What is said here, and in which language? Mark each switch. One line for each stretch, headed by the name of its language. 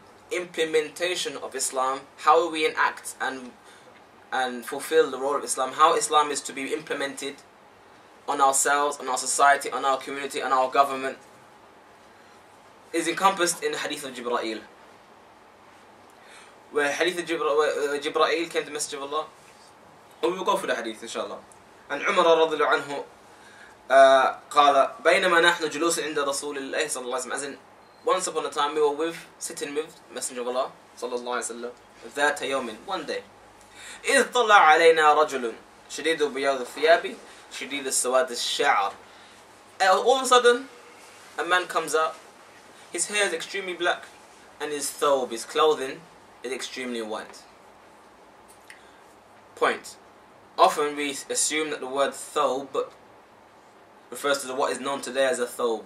English: Implementation of Islam, how we enact and fulfill the role of Islam, how Islam is to be implemented on ourselves, on our society, on our community, on our government, is encompassed in the hadith of Jibra'il. Where hadith of Jibra'il came to Messenger of Allah. We will go through the hadith, inshallah.
Arabic: And Umar radiallahu anhu قال بينما نحن جلوس عند رسول الله صلى الله عليه وسلم.
English: As in, once upon a time we were sitting with Messenger of Allah
Arabic: صلى الله عليه وسلم ذات يوم,
English: one day,
Arabic: إذ طلع علينا رجل شديد بياض الثياب شديد السواد الشعر.
English: All of a sudden a man comes up, his hair is extremely black and his thawb, his clothing, is extremely white. Point. Often we assume that the word thawb refers to what is known today as a thawb.